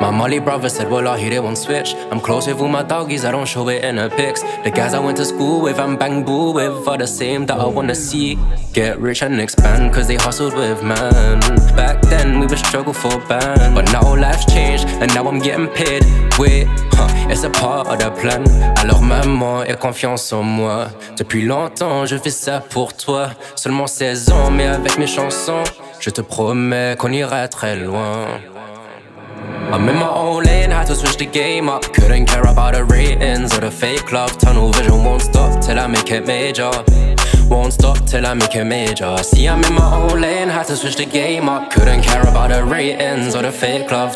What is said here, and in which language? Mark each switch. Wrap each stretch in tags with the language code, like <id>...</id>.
<en>My Molly brother said, well, I hear they won't switch. I'm close with all my doggies, I don't show it in the pics. The guys I went to school with and bang boo with are the same that I wanna see get rich and expand, cause they hustled with man. Back then, we would struggle for band. But now life's changed, and now I'm getting paid. Wait, it's a part of the plan.</en> <fr>Alors maman, aie confiance en moi. Depuis longtemps, je fais ça pour toi. Seulement 16 ans, mais avec mes chansons, je te promets qu'on ira très loin.</fr> <en>I'm in my own lane, had to switch the game up. Couldn't care about the ratings or the fake love. Tunnel vision won't stop till I make it major. Won't stop till I make it major. See, I'm in my own lane, had to switch the game up. Couldn't care about the ratings or the fake love.</en>